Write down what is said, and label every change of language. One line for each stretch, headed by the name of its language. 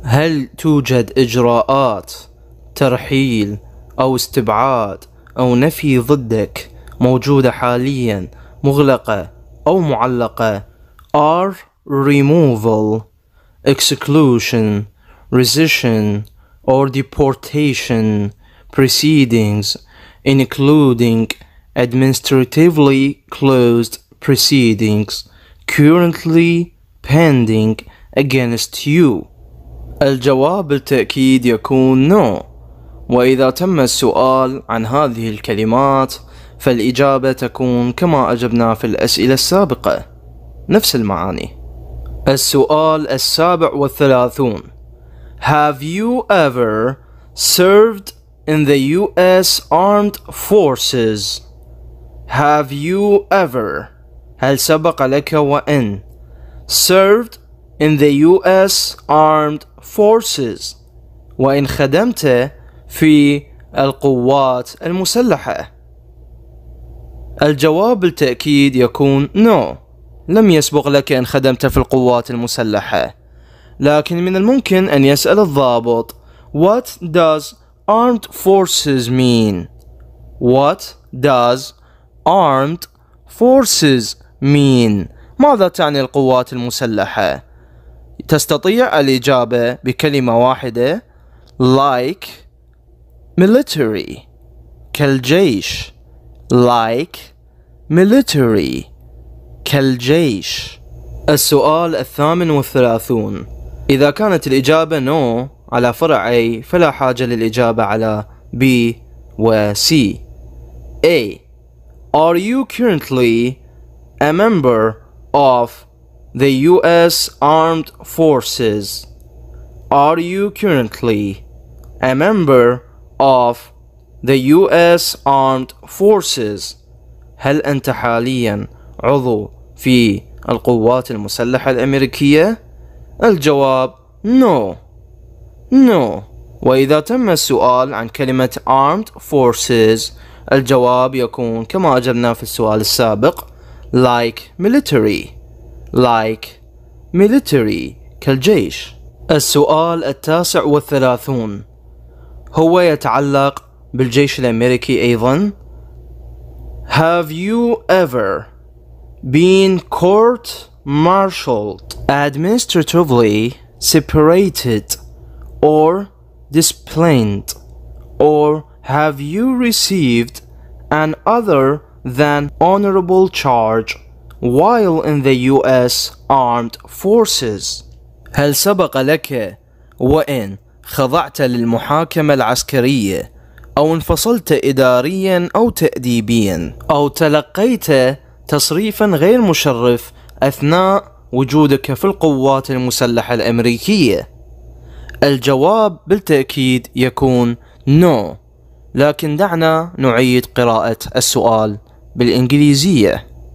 Arabic: هل توجد إجراءات ترحيل أو استبعاد أو نفي ضدك موجودة حاليا مغلقة أو معلقة؟
English: Are removal, exclusion, rescission, or deportation proceedings including administratively closed proceedings currently pending against you?
Arabic: الجواب بالتأكيد يكون no. وإذا تم السؤال عن هذه الكلمات فالإجابة تكون كما أجبنا في الأسئلة السابقة، نفس المعاني. السؤال 37.
English: Have you ever served in the US Armed Forces? Have you ever,
Arabic: هل سبق لك وإن
English: served in the US Armed Forces،
Arabic: وإن خدمت في القوات المسلحة؟ الجواب بالتأكيد يكون no. لم يسبق لك أن خدمت في القوات المسلحة، لكن من الممكن أن يسأل الضابط
English: What does armed forces mean? What does armed forces mean?
Arabic: ماذا تعني القوات المسلحة؟ تستطيع الإجابة بكلمة واحدة
English: Like military،
Arabic: كالجيش.
English: Like military،
Arabic: كالجيش. السؤال 38. إذا كانت الإجابة no على فرع A فلا حاجة للإجابة على B و C.
English: A. Are you currently a member of the US Armed Forces? Are you currently a member of the US Armed Forces?
Arabic: هل أنت حالياً عضو في القوات المسلحة الأمريكية؟ الجواب no. No. وإذا تم السؤال عن كلمة Armed Forces الجواب يكون كما أجبنا في السؤال السابق
English: like military
Arabic: كالجيش. السؤال 39 هو يتعلق بالجيش الأمريكي أيضا.
English: Have you ever been court-martialed, administratively separated, or disciplined, or have you received an other than honorable charge while in the U.S. Armed Forces?
Arabic: هل سبق لك وإن خضعت للمحاكمة العسكرية أو انفصلت إداريا أو تأديبيا أو تلقيت تصريفا غير مشرف أثناء وجودك في القوات المسلحة الأمريكية؟ الجواب بالتأكيد يكون no، لكن دعنا نعيد قراءة السؤال بالإنجليزية.